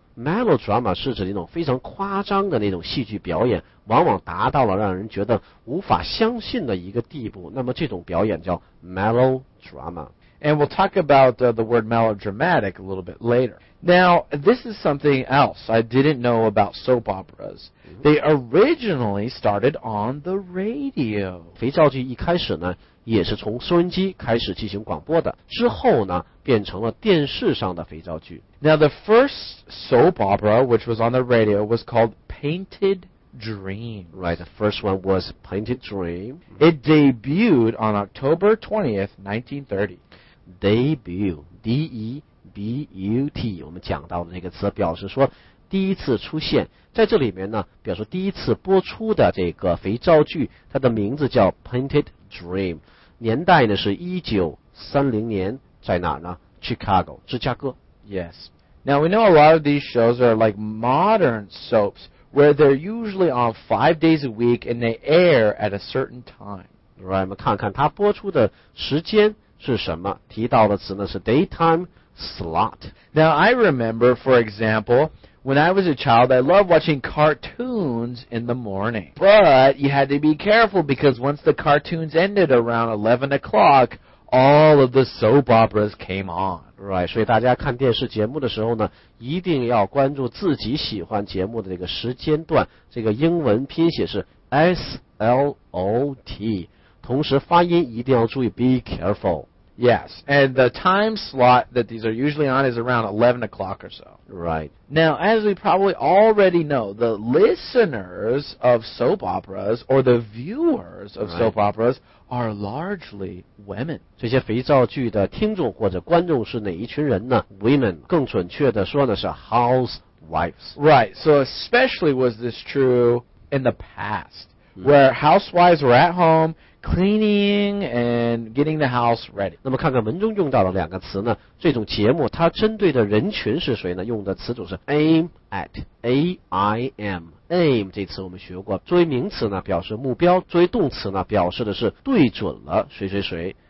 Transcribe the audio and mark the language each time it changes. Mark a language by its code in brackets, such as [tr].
[zh] Melodrama 是指那种非常夸张的那种戏剧表演，往往达到了让人觉得无法相信的一个地步。那么这种表演叫 melodrama. [en] And we'll talk about the word melodramatic a little bit later. Now, this is something else I didn't know about soap operas. They originally started on the radio. [zh] 肥皂剧一开始呢，也是从收音机开始进行广播的，之后呢，变成了电视上的肥皂剧。 [en] Now the first soap opera which was on the radio was called Painted Dream. Right, the first one was Painted Dream. It debuted on October 20th, 1930. [zh] Debut, D-E-B-U-T, 我们讲到的这个词表示说第一次出现。在这里面呢，表示第一次播出的这个肥皂剧，它的名字叫 Painted Dream. 年代呢是1930年，在哪呢？ Chicago, 芝加哥。 [en] Yes. Now we know a lot of these shows are like modern soaps where they're usually on 5 days a week and they air at a certain time. [zh] Right, 我们看看它播出的时间是什么，提到的词呢是 daytime slot. [en] Now I remember, for example, when I was a child, I loved watching cartoons in the morning. But you had to be careful because once the cartoons ended around 11 o'clock,All of the soap operas came on. [zh] Right, 所以大家看电视节目的时候呢，一定要关注自己喜欢节目的这个时间段。这个英文拼写是 SLOT, 同时发音一定要注意 [en] be careful. Yes, and the time slot that these are usually on is around 11 o'clock or so. Right. Now, as we probably already know, the listeners of soap operas or the viewers of soap operas are largely women. [zh] 这些肥皂剧的听众或者观众是哪一群人呢？ Women, 更准确的说呢是 housewives. [en] Right, so especially was this true in the past, where housewives were at home cleaning and getting the house ready. [zh] 那么看看文中用到的两个词呢，这种节目它针对的人群是谁呢？用的词组是 aim at, A-I-M. Aim 这词我们学过，作为名词呢表示目标，作为动词呢表示的是对准了谁谁谁。